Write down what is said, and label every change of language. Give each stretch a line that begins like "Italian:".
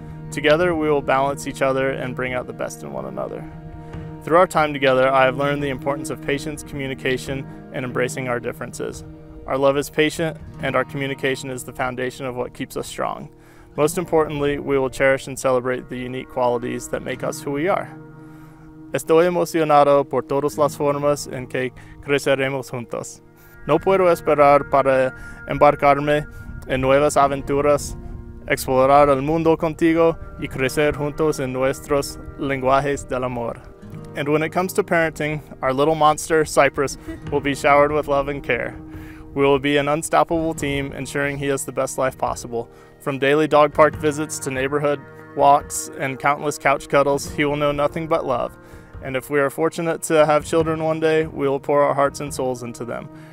English: Together, we will balance each other and bring out the best in one another. Through our time together, I have learned the importance of patience, communication, and embracing our differences. Our love is patient, and our communication is the foundation of what keeps us strong. Most importantly, we will cherish and celebrate the unique qualities that make us who we are.
Spanish: Estoy emocionado por todas las formas en que creceremos juntos. No puedo esperar para embarcarme en nuevas aventuras, explorar el mundo contigo, y crecer juntos en nuestros lenguajes del amor.
English: And when it comes to parenting, our little monster, Cypress, will be showered with love and care. We will be an unstoppable team, ensuring he has the best life possible. From daily dog park visits to neighborhood walks and countless couch cuddles, he will know nothing but love. And if we are fortunate to have children one day, we will pour our hearts and souls into them.